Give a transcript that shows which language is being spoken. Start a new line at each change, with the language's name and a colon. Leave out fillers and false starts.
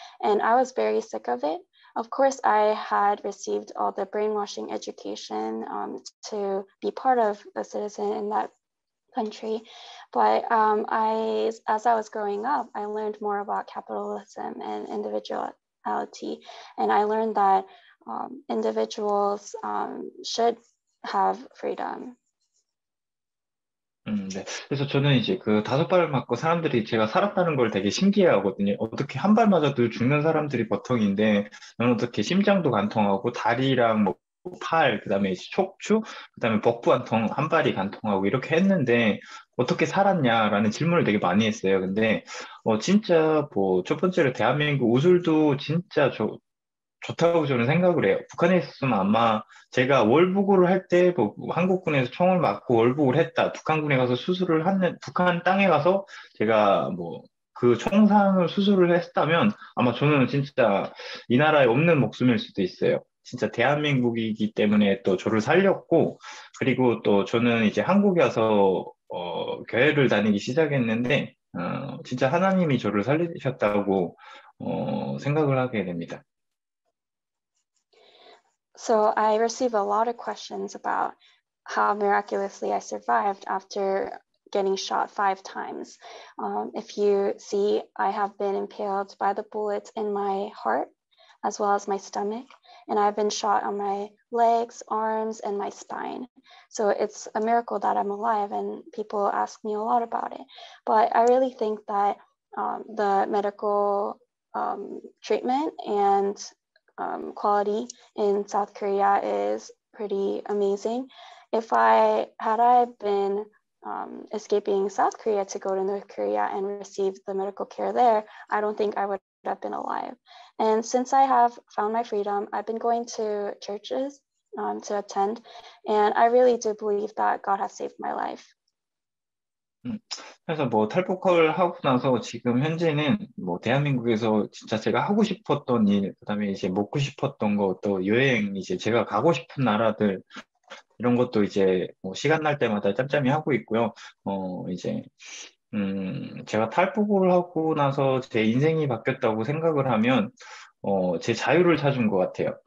English: And I was very sick of it. Of course, I had received all the brainwashing education to be part of a citizen in that country. But as I was growing up, I learned more about capitalism and individuality. And I learned that individuals should have freedom.
Korean: 네. 그래서 저는 이제 그 다섯 발 맞고 사람들이 제가 살았다는 걸 되게 신기해 하거든요. 어떻게 한 발 맞아도 죽는 사람들이 보통인데, 넌 어떻게 심장도 관통하고, 다리랑 뭐 팔, 그 다음에 척추, 그 다음에 복부 관통, 한 발이 관통하고 이렇게 했는데, 어떻게 살았냐라는 질문을 되게 많이 했어요. 근데, 어, 진짜 뭐, 첫 번째로 대한민국 우술도 진짜 좋다고 저는 생각을 해요. 북한에 있었으면 아마 제가 월북을 할 때 뭐 한국군에서 총을 맞고 월북을 했다. 북한군에 가서 수술을 하는 북한 땅에 가서 제가 뭐 그 총상을 수술을 했다면 아마 저는 진짜 이 나라에 없는 목숨일 수도 있어요. 진짜 대한민국이기 때문에 또 저를 살렸고 그리고 또 저는 이제 한국에 와서 어, 교회를 다니기 시작했는데 어, 진짜 하나님이 저를 살리셨다고 어, 생각을 하게 됩니다.
English: So I receive a lot of questions about how miraculously I survived after getting shot 5 times. If you see, I have been impaled by the bullets in my heart, as well as my stomach, and I've been shot on my legs, arms, and my spine. So it's a miracle that I'm alive, and people ask me a lot about it. But I really think that the medical treatment and quality in South Korea is pretty amazing. If I had I been escaping South Korea to go to North Korea and receive the medical care there, I don't think I would have been alive. And since I have found my freedom, I've been going to churches to attend, and I really do believe that God has saved my life.
Korean: 그래서 뭐 탈북을 하고 나서 지금 현재는 뭐 대한민국에서 진짜 제가 하고 싶었던 일, 그다음에 이제 먹고 싶었던 것, 또 여행, 이제 제가 가고 싶은 나라들 이런 것도 이제 뭐 시간 날 때마다 짬짬이 하고 있고요. 어 이제 제가 탈북을 하고 나서 제 인생이 바뀌었다고 생각을 하면 어 제 자유를 찾은 것 같아요.